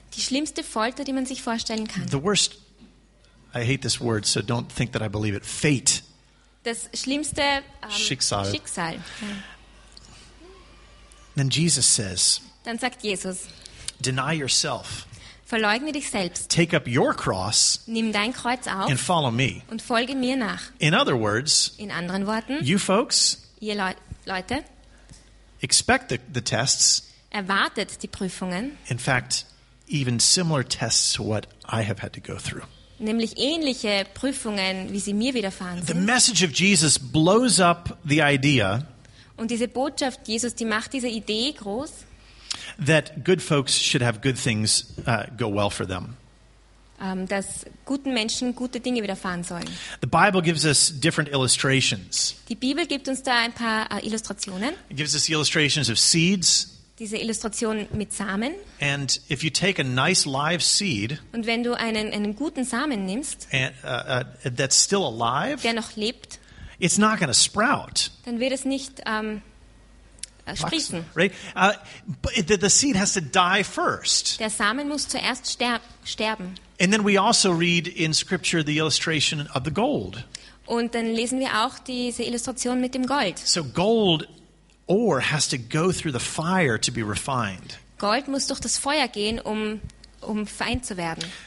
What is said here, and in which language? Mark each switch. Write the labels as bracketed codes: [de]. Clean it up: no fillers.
[de] Die schlimmste Folter, die man sich vorstellen kann. [en] The worst, I hate this word, so don't think that I believe it, fate. [de] Das schlimmste Schicksal. [en] Then Jesus says, [de] dann sagt Jesus, [en] deny yourself. [de] Verleugne dich selbst. [en] Take up your cross. [de] Nimm dein Kreuz auf. [en] And follow me. [de] Und folge mir nach. [en] In other words, [de] in anderen Worten, [en] you folks, [de] ihr Leute, [en] expect the tests. [de] Erwartet die Prüfungen. [en] In fact, even similar tests to what I have had to go through. [de] Nämlich ähnliche Prüfungen, wie sie mir widerfahren sind. [en] The message of Jesus blows up the idea. [de] Und diese Botschaft Jesus, die macht diese Idee groß. [en] That good folks should have good things go well for them. [de] dass guten Menschen gute Dinge widerfahren sollen. [en] The Bible gives us different illustrations. [de] Die Bibel gibt uns da ein paar Illustrationen. [en] It gives us the illustrations of seeds. [de] Diese Illustration mit Samen. [en] And if you take a nice live seed, [de] und wenn du einen guten Samen nimmst, [en] and, that's still alive, [de] der noch lebt, [en] it's not going to sprout. [de] Dann wird es nicht sprießen. [en] Right? The seed has to die first. [de] Der Samen muss zuerst sterben. [en] And then we also read in Scripture the illustration of the gold. [de] Und dann lesen wir auch diese Illustration mit dem Gold. [en] So gold ore has to go through the fire to be refined. [de] Gold muss durch das Feuer gehen, um fein zu werden.